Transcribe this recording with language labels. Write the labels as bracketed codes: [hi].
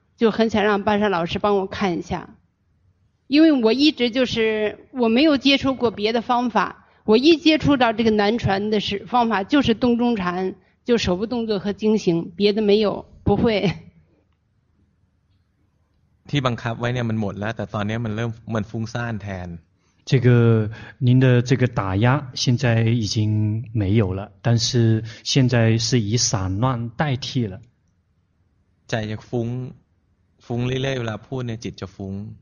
[zh] 就很想让巴沙老师帮我看一下因为我一直就是我没有接触过别的方法我一接触到这个南传的方法就是动中禅就手部动作和经行别的没有不会 [th] ที่บังคับไว้เนี่ยมันหมดแล้วแต่ตอนนี้มันฟุ้งซ่านแทน [zh] 这个您的这个打压现在已经没有了但是现在是以散乱代替了 [th] 在ฟุ้งเรื่อยๆเวลาพูดเนี่ยจิตจะฟุ้ง